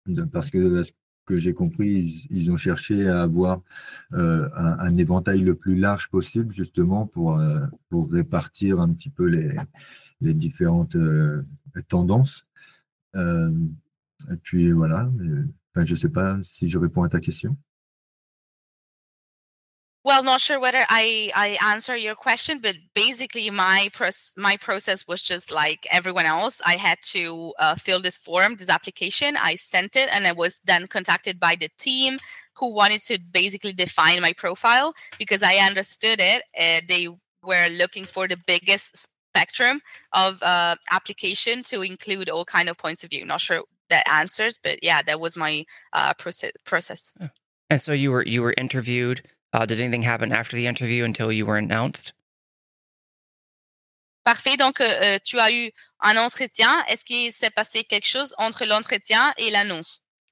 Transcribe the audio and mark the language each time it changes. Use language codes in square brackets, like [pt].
[fr] parce que ce que j'ai compris, ils ont cherché à avoir un éventail le plus large possible, justement pour répartir un petit peu les différentes tendances. Et puis voilà, enfin, je ne sais pas si je réponds à ta question. [en] Well, not sure whether I answer your question, but basically my process was just like everyone else. I had to fill this form, this application. I sent it and I was then contacted by the team who wanted to basically define my profile because I understood it. They were looking for the biggest spectrum of application to include all kind of points of view. Not sure that answers, but yeah, that was my process. And so you were interviewed. Did anything happen after the interview until you were announced? [fr] Parfait. Donc, tu as eu un entretien. Est-ce qu'il s'est passé quelque chose entre l'entretien et l'annonce?